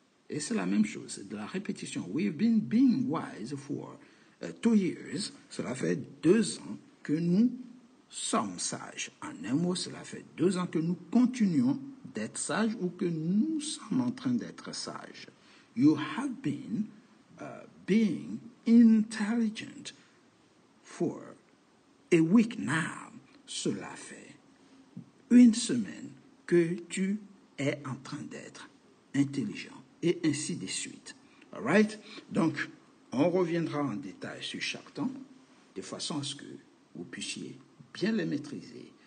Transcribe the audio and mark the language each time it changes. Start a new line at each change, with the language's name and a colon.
French: Et c'est la même chose, c'est de la répétition.
English: We've been being wise for 2 years.
French: Cela fait 2 ans que nous sommes sages. En un mot, cela fait 2 ans que nous continuons d'être sage ou que nous sommes en train d'être sage.
English: You have been being intelligent for a week now.
French: Cela fait 1 semaine que tu es en train d'être intelligent et ainsi de suite.
English: All right?
French: Donc, on reviendra en détail sur chaque temps de façon à ce que vous puissiez bien les maîtriser.